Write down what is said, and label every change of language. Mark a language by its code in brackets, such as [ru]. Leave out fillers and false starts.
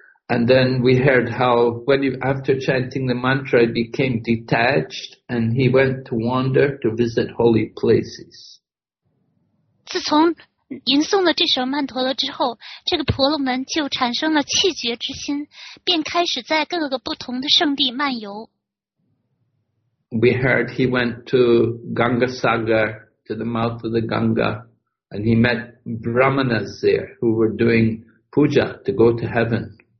[en] And then we heard how when you, after chanting the mantra, he became detached and he went to wander to visit holy places. [zh] 自从吟诵了这首曼陀罗之后，这个婆罗门就产生了气绝之心，便开始在各个不同的圣地漫游。 [en] We heard he went to Ganga Sagar, to the mouth of the Ganga, and he met Brahmanas there who were doing puja to go to heaven.